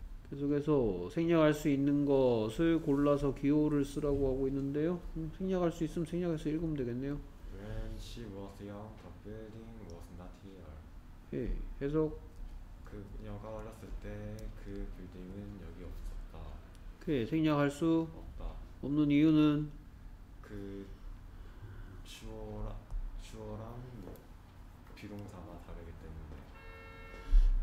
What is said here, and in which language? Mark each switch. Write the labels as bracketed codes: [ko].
[ko] 계속해서 생략할 수 있는 것을 골라서 기호를 쓰라고 하고 있는데요. 생략할 수 있으면 생략해서 읽으면 되겠네요. [en] When she was young, the building was not here. [ko] 예, 해석. 그녀가 어렸을 때 그 빌딩은 여기 없었다. 그 생략할 수 없다. 없는 이유는 그 주어랑 뭐 비동사가 다르기 때문에.